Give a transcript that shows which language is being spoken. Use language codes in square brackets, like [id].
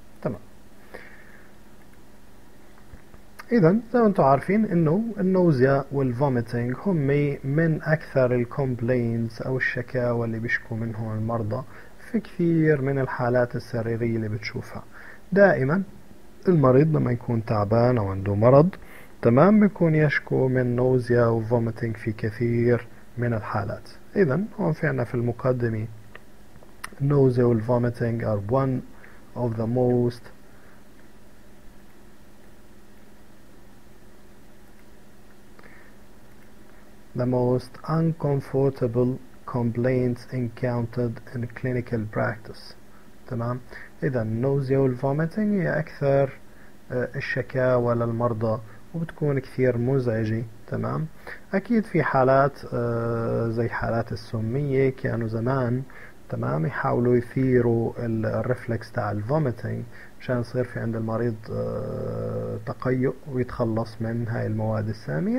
[ar] تمام، اذا زي ما انتم عارفين انه النوزيا والفوميتنج هم من اكثر الكومبلينز او الشكاوى اللي بيشكو منهم المرضى في كثير من الحالات السريرية اللي بتشوفها. دائما المريض لما يكون تعبان او عنده مرض، تمام، بيكون يشكو من نوزيا وفوميتنج في كثير من الحالات. اذا هون في عنا في المقدمة النوزيا والفوميتنج [en] are one of the most uncomfortable complaints encountered in clinical practice. [ar] تمام، اذا النوزيا والفوميتنج هي اكثر الشكاوى للمرضى وبتكون كثير مزعجة. تمام، اكيد في حالات زي حالات السمية كانوا زمان، تمام، يحاولوا يثيروا الريفلكس تاع الفوميتنج عشان يصير في عند المريض تقيؤ ويتخلص من هاي المواد السامية.